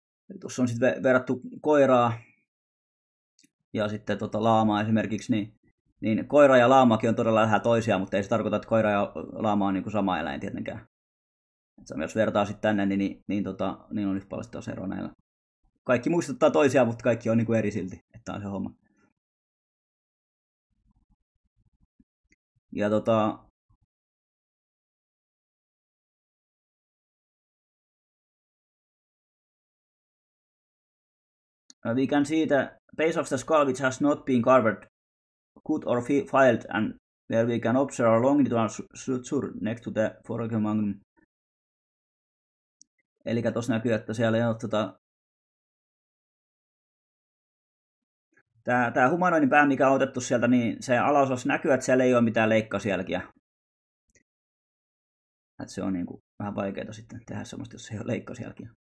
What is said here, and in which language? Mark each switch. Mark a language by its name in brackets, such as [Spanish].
[Finnish] Eli tuossa on sitten verrattu koiraa ja sitten laamaa esimerkiksi, niin koira ja laamakin on todella lähellä toisiaan, mutta ei se tarkoita, että koira ja laama on niin kuin sama eläin tietenkään. Et jos vertaa sitten tänne, niin on yhtä paljon sitten ero näillä. Kaikki muistuttaa toisiaan, mutta kaikki on niin kuin eri silti, että on se homma. [English] Ja we can see the base of the skull which has not been carved, cut or filed, and where we can observe a longitudinal suture next to the foregut magnum. [Finnish] Eli tuossa näkyy, että siellä ei ole tämä humanoidin pää, mikä on otettu sieltä, niin se alaosassa näkyy, että siellä ei ole mitään leikkausjälkiä. Että se on niin kuin vähän vaikeaa sitten tehdä semmoista, jos ei ole leikkausjälkiä.